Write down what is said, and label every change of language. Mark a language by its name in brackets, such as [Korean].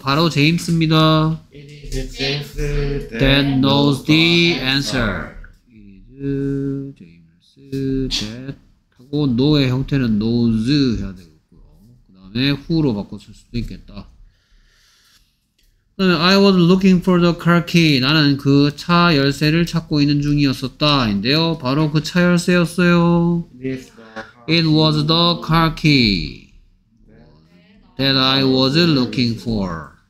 [Korean] 바로 James입니다. [English] That knows the answer. Is James that [Korean] 하고 [English] know [Korean] 의 형태는 [English] knows [Korean] 해야 되겠고요. 그 다음에 who로 바꿨을 수도 있겠다. [English] 그 다음에 I was looking for the car key. [Korean] 나는 그 차 열쇠를 찾고 있는 중이었었다 인데요. 바로 그 차 열쇠였어요. [English] It was the car key that I was looking for.